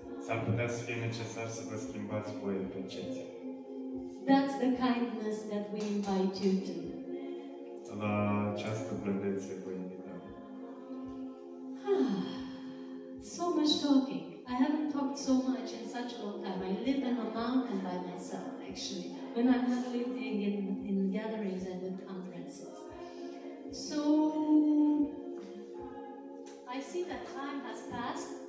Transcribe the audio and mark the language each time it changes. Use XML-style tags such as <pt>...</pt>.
<ro>S-ar putea să fie necesar să vă schimbați voi în percepție.</ro> <en>That's the kindness that we invite you to.</en> <ro>La această blândețe vă invităm.</ro> <en>So much talking. I haven't talked so much in such a long time. I live in a mountain by myself, actually, when I'm not living in gatherings and in conferences. So, I see that time has passed.</en>